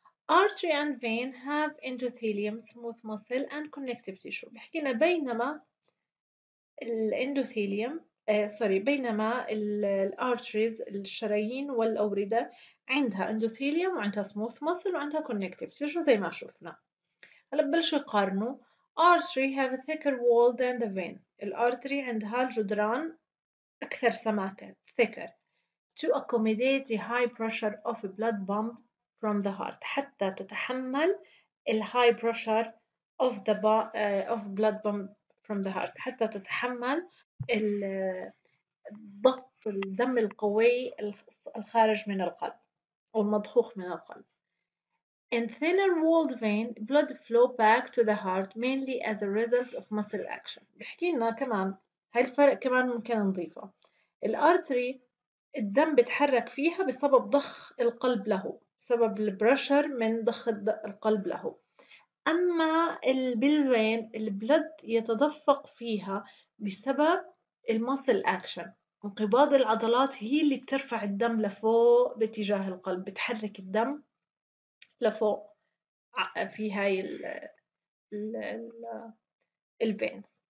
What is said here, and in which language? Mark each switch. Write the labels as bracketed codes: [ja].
[en] Artery and vein have endothelium, smooth muscle and connective tissue. [ar] بحكينا بينما الاندوثيليوم، بينما الارتريز الشرايين والأوردة عندها اندوثيليوم وعندها سموث مسل وعندها كونكتيف تيشو زي ما شفنا. هلا ببلشوا يقارنوا. [en] artery have a thicker wall than the vein، [ar] الارتري عندها الجدران اكثر سماكة، [en] thicker to accommodate the high pressure of a blood pump from the heart، [ar] حتى تتحمل [en] الhigh pressure of the of blood pump from the heart، [ar] حتى تتحمل الضغط الدم القوي الخارج من القلب [en] والمضخوخ من القلب. In thinner walled vein, blood flow back to the heart mainly as a result of muscle action. [ar] بحكينا كمان هاي الفرق كمان ممكن نضيفه. الأرتري الدم بتحرك فيها بسبب ضخ القلب له، بسبب البرشر من ضخ القلب له. أما البلوين البلد يتدفق فيها بسبب المسل اكشن، انقباض العضلات هي اللي بترفع الدم لفوق باتجاه القلب، بتحرك الدم لفوق في هاي الفينز.